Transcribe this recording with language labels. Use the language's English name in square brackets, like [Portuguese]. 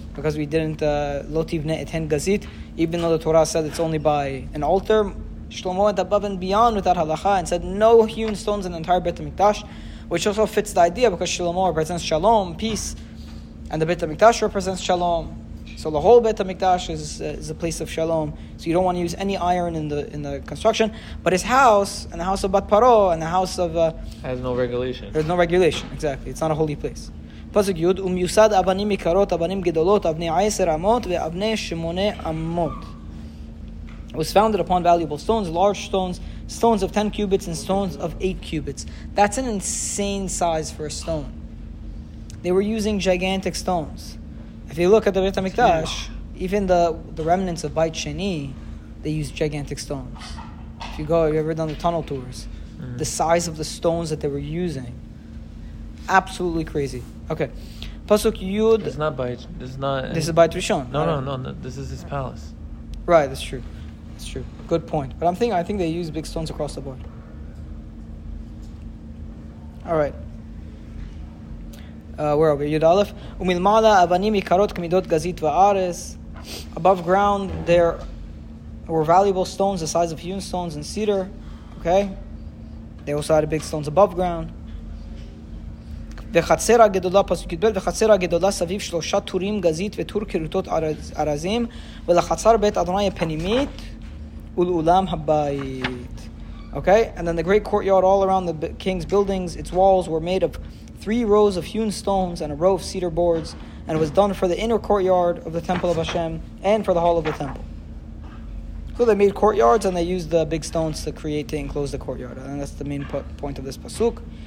[English] Because we didn't lotiv ne'eten gazit, even though the Torah said it's only by an altar, Shlomo went above and beyond without halacha and said no hewn stones in the entire Beit HaMikdash, which also fits the idea because Shlomo represents shalom, peace, and the Beit HaMikdash represents shalom. So the whole Beit HaMikdash is a place of shalom. So you don't want to use any iron in the construction. But his house, and the house of Bat Paro, and the house of... Has no regulation. There's no regulation, exactly. It's not a holy place. [Hebrew] פסוק יוד, ומיוסד אבנים יקרות, אבנים גדולות, אבני עשר אמות ואבני שמונה אמות. [English] It was founded upon valuable stones, large stones, stones of 10 cubits and stones of 8 cubits. That's an insane size for a stone. They were using gigantic stones. If you look at the Beit HaMikdash, even the remnants of Beit Sheni, they used gigantic stones. If you go, have you ever done the tunnel tours? Mm-hmm. The size of the stones that they were using. Absolutely crazy. Okay. Pasuk Yud. It's not Beit. It's not, this is Beit Rishon. No, this is his palace. Right, that's true. That's true. Good point. But I think they use big stones across the board. Alright. Where are we? [Hebrew] Yud Aleph. Umilmala avanim yikarot kmidot gazit va'ares. [English] Above ground there were valuable stones the size of hewn stones and cedar. Okay? They also had big stones above ground. [Hebrew] וחצר הגדולה פסוק יתבל וחצר הגדולה סביב שלושה תורים גזית ותור קירותות ארזים ולחצר בית אדוני הפנימית ולעולם הבית. [English] Okay, and then the great courtyard all around the king's buildings, its walls were made of three rows of hewn stones and a row of cedar boards, and it was done for the inner courtyard of the temple of Hashem and for the hall of the temple. So they made courtyards and they used the big stones to create, to enclose the courtyard, and that's the main point of this pasuk.